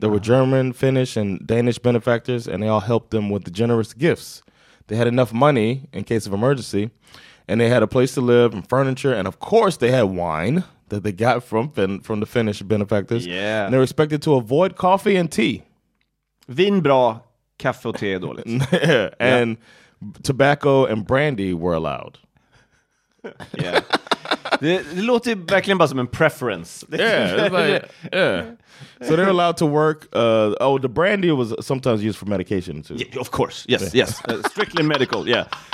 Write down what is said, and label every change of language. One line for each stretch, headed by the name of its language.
English: There were German, Finnish, and Danish benefactors, and they all helped them with the generous gifts. They had enough money in case of emergency, and they had a place to live and furniture, and of course they had wine that they got from the Finnish benefactors. Yeah. And they were expected to avoid coffee and tea.
Swedish: Vin bra, kaffe och te är dåligt.
English: Yeah. And tobacco and brandy were allowed.
Swedish: Yeah. Det låter verkligen bara som en preference.
English: So they're allowed to work. The brandy was sometimes used for medication too. Yeah, of course. Yes, yeah. Yes. Strictly medical, yeah.